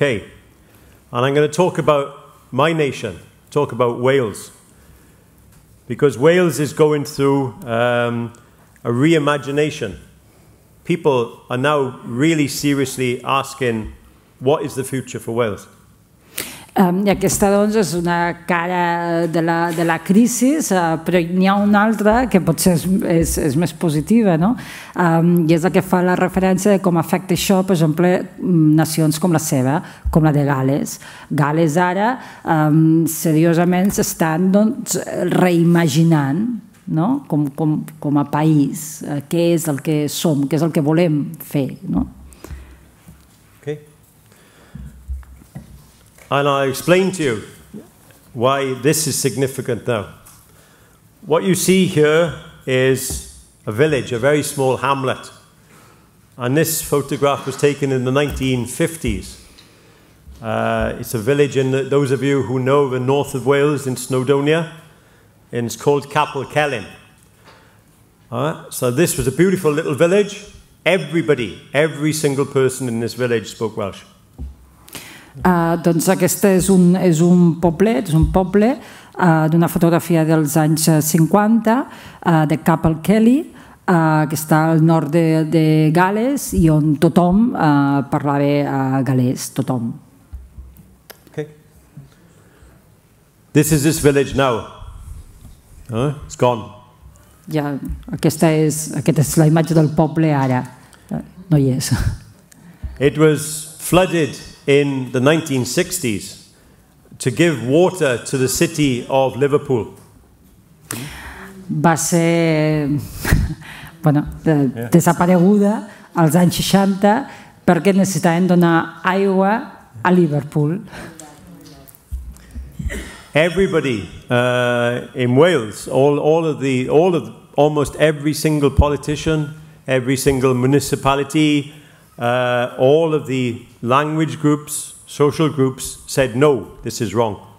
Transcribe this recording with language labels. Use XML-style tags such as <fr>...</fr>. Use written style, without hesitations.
<en>And I'm going to talk about my nation, talk about Wales, because Wales is going through a reimagination. People are now really seriously asking, what is the future for Wales?</en> <ca>I aquesta, doncs, és una cara de la crisi, però n'hi ha una altra que potser és més positiva, no? I és la que fa la referència de com afecta això, per exemple, nacions com la seva, com la de Gales. Gales ara, seriosament, s'estan, doncs, reimaginant, no? Com a país, què és el que som, què és el que volem fer, no?</ca> <en>And I'll explain to you why this is significant now. What you see here is a village, a very small hamlet. And this photograph was taken in the 1950s. It's a village in those of you who know the north of Wales in Snowdonia, and it's called Capel Celyn. So this was a beautiful little village. Everybody, every single person in this village spoke Welsh.</en> <ca>Doncs aquest és un poble d'una fotografia dels anys 50 de Capel Celyn, que està al nord de Gales i on tothom parlava galès, tothom.</ca> <en>Okay. This is this village now. It's gone.</en> <ca>Ja, aquesta és la imatge del poble ara. No hi és.</ca> <en>It was flooded in the 1960s to give water to the city of Liverpool.</en> <ca>Va ser, bueno, desapareguda als anys 60 perquè necessitaven donar aigua a Liverpool.</ca> <en>Everybody in Wales, almost every single politician, every single municipality, all of the language groups, social groups said no, this is wrong.</en>